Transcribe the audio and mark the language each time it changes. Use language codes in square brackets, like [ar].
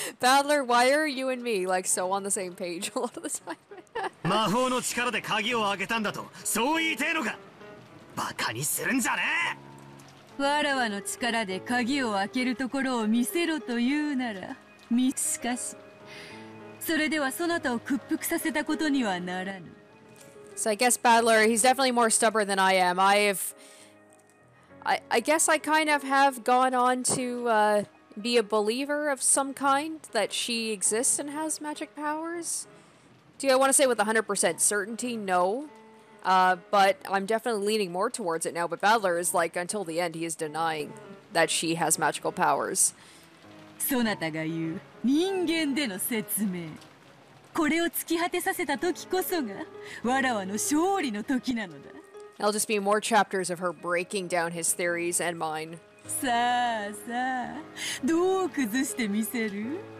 [en] Battler, why are you and me like so on the same page a lot of the time? [ja] 魔法の力で鍵を開けたんだと、そう言いてえのか。バカにするんじゃねえ。わらわの力で鍵を開けるところを見せろと言うなら、見透かし。それではそなたを屈服させたことにはならぬ。 [en] So I guess Battler, he's definitely more stubborn than I am. I guess I kind of have gone on to, be a believer of some kind that she exists and has magic powers. Do I want to say with 100% certainty? No. But I'm definitely leaning more towards it now. But Battler is like, until the end, he is denying that she has magical powers. [ja] そなたが言う人間での説明。これを突き果てさせた時こそがわらわの勝利の時なのだ。 [en] It'll just be more chapters of her breaking down his theories and mine. [ja] さあさあ、どう崩してみせる？